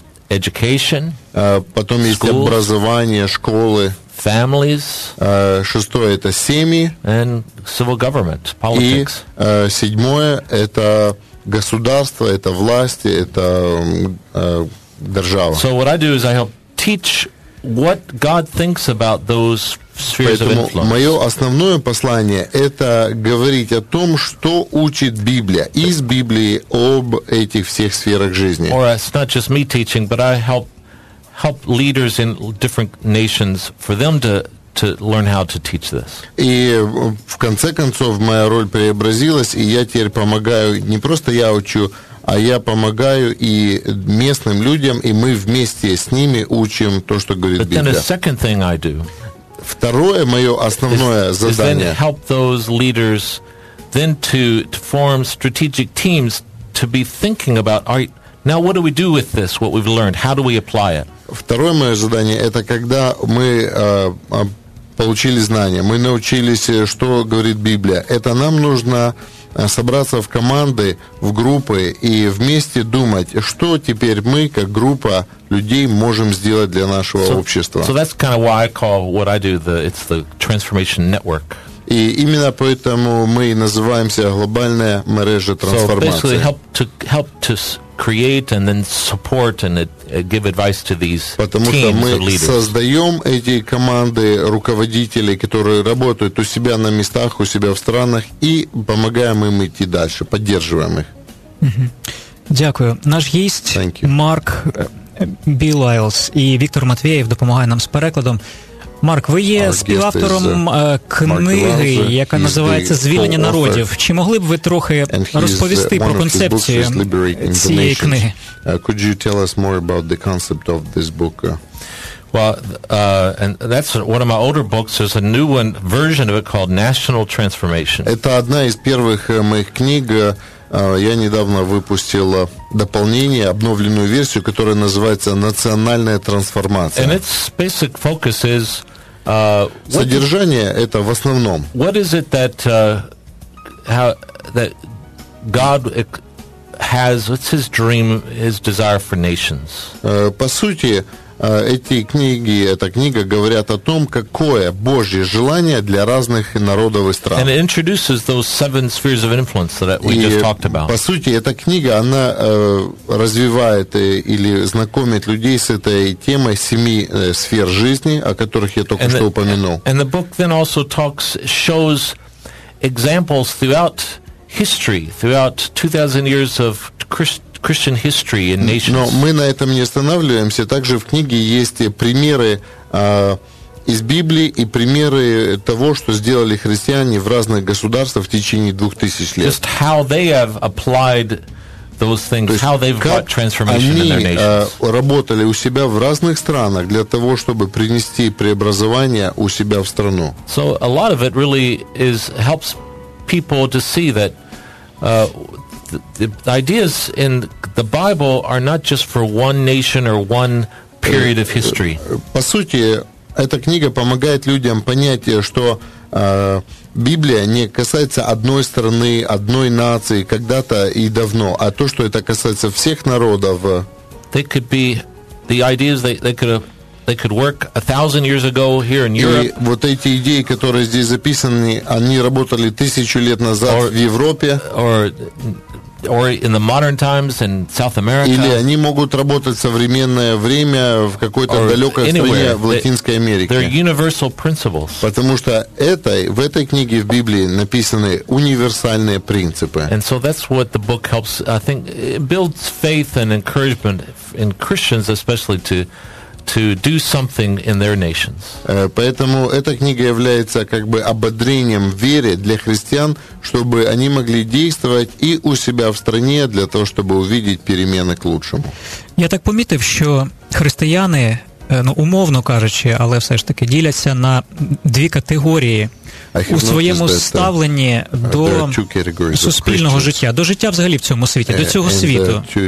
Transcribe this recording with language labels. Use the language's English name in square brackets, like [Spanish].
[English] Education. [Russian] Потом есть schools, образование, школы. [English] Families. [Russian] Шестое это семьи. [English] And civil government, politics. [Russian] И седьмое это государство, это власти, это держава. [English] So what I do is I help teach what God thinks about those spheres [Russian] Поэтому [English] of influence. [Russian] Мое основное послание это говорить о том, что учит Библия из Библии об этих всех сферах жизни. [English] Or it's not just me teaching, but I help leaders in different nations for them to learn how to teach this. [Russian] И в конце концов моя роль преобразилась, и я теперь помогаю, не просто я учу, а я помогаю и местным людям, и мы вместе с ними учим то, что говорит Библия. [English] But then the second thing I do. [Russian] Второе моё основное задание. [English] Is then help those leaders then to form strategic teams to be thinking about, all right, now what do we do with this, what we've learned? How do we apply it? [Russian] Второе мое задание, это когда мы получили знания, мы научились, что говорит Библия. Это нам нужно собраться в команды, в группы и вместе думать, что теперь мы, как группа людей, можем сделать для нашего общества. [English] So that's kind of why I call what I do, it's the transformation network. [Russian] И именно поэтому мы и называемся глобальная мережа трансформации. [English] So basically help to create and then support and give advice to these [Russian] Потому [English] teams of leaders. [Russian] Потому что мы создаем эти команды руководителей, которые работают у себя на местах, у себя в странах, и помогаем им идти дальше, поддерживаем их. [Ukrainian] Дякую. Наш гість Марк Білайлс і Віктор Матвеєв допомагає нам з перекладом. Марк, ви є співавтором книги, яка називається «Звільнення народів». Чи могли б ви трохи розповісти про концепцію цієї книги? [English] Could you tell us more about the concept of this book? Well, and that's one of my older books. There's a new one version of it called «National Transformation». [Ukrainian] Це одна із перших моїх книг. [Russian] Я недавно выпустил дополнение, обновленную версию, которая называется «Национальная трансформация». [English] And its basic focus is, [Russian] Содержание – это в основном. [English] What is it that, that God has, what's his dream, his desire for nations? [Russian] По сути, эти книги, эта книга говорят о том, какое Божье желание для разных народов и стран. [English] And it introduces those seven spheres of influence that we just talked about. [Russian] По сути, эта книга, она развивает или знакомит людей с этой темой семи сфер жизни, о которых я только что упомянул. [English] And the book then also shows examples throughout history, throughout 2000 years of Christian history and nations. [Russian] Но мы на этом не останавливаемся. Также в книге есть примеры из Библии и примеры того, что сделали христиане в разных государствах в течение 2000 лет. [English] Just how they have applied those things, how they've got transformation [Russian] они, [English] in their nations. [Russian] Работали у себя в разных странах для того, чтобы принести преобразование у себя в страну. [English] So a lot of it really is helps people to see that The ideas in the Bible are not just for one nation or one period of history. [Russian] По сути, эта книга помогает людям понять, что Библия не касается одной страны, одной нации, когда-то и давно, а то, что это касается всех народов. [English] They could be the ideas they could work 1,000 years ago here in Europe. [Russian] И вот эти идеи, которые здесь записаны, они работали тысячу лет назад в Европе. [English] Or or in the modern times in South America. [Russian] Или они могут работать в современное время в какой-то далекой стране в Латинской Америке. [English] They're universal principles. [Russian] Потому что этой, в этой книге в Библии написаны универсальные принципы. [English] And so that's what the book helps, I think, it builds faith and encouragement in Christians, especially to do something in their nations. [Russian] Поэтому эта книга является как бы ободрением веры для христиан, чтобы они могли действовать и у себя в стране для того, чтобы увидеть перемены к лучшему. [Ukrainian] Я так помітив, що християни, ну, умовно кажучи, але все ж таки діляться на дві категорії у своєму ставленні до суспільного життя, до життя взагалі в цьому світі, до цього світу.